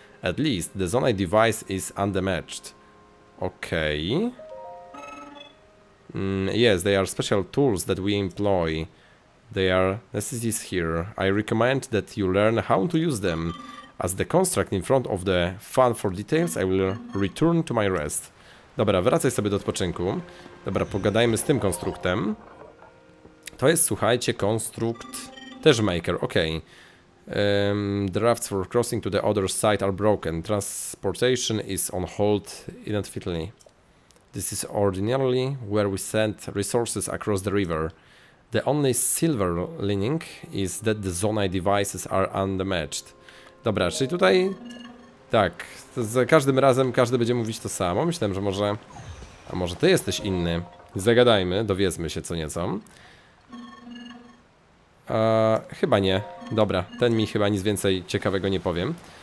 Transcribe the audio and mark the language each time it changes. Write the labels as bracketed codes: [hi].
[en] At least the Zonai device is undamaged. Okej. Okay. Yes, they are special tools that we employ. They are necessities here. I recommend that you learn how to use them. As the construct in front of the fan for details, I will return to my rest. [pl] Dobra, wracaj sobie do odpoczynku. Dobra, pogadajmy z tym konstruktem. To jest, słuchajcie, konstrukt... Też maker, okej. [en] The rafts for crossing to the other side are broken. Transportation is on hold indefinitely. This is ordinarily where we send resources across the river. The only silver lining is that the Zonai devices are undamaged. [pl] Dobra, czyli tutaj... Tak, za każdym razem każdy będzie mówić to samo. Myślałem, że może... A może ty jesteś inny? Zagadajmy, dowiedzmy się co nieco. Chyba nie. Dobra, ten mi chyba nic więcej ciekawego nie powiem.